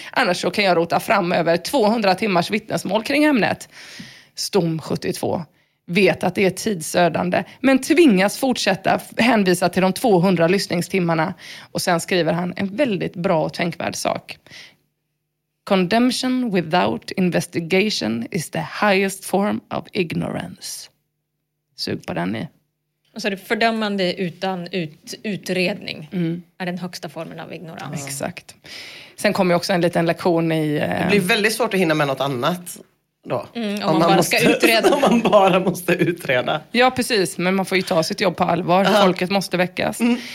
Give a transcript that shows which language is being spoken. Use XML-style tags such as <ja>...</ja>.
<sv>Annars så kan jag rota fram över 200 timmars vittnesmål kring ämnet. Stom 72. Vet att det är tidsödande, men tvingas fortsätta hänvisa till de 200 lyssningstimmarna. Och sen skriver han en väldigt bra och tänkvärd sak.</sv> <en>Condemnation without investigation is the highest form of ignorance.</en> <sv>Sug på den ni. Alltså det fördömande utan utredning är den högsta formen av ignorans. Mm. Exakt. Sen kommer också en liten lektion i... Det blir väldigt svårt att hinna med något annat. Mm, om man bara ska utreda. Om man bara måste utreda. Ja, precis. Men man får ju ta sitt jobb på allvar. Uh-huh. Folket måste väckas. Mm.</sv>